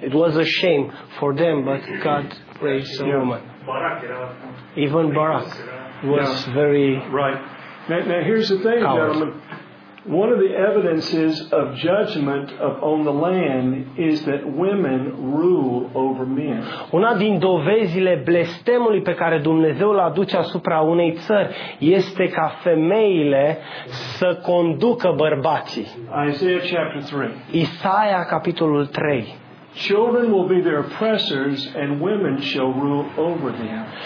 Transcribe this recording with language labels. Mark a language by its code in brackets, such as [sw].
[en] It was a shame for them, but God raised a woman. Even Barak was very right. Now here's the thing, coward. Gentlemen. One of the evidences of judgment on the land is that women rule over men. [ro] Una din dovezile blestemului pe care Dumnezeu l-a aduce asupra unei țări este ca femeile să conducă bărbații. [en] Isaiah chapter 3. [ro] Isaia capitolul 3. [en] Children will be their oppressors and women shall rule over them.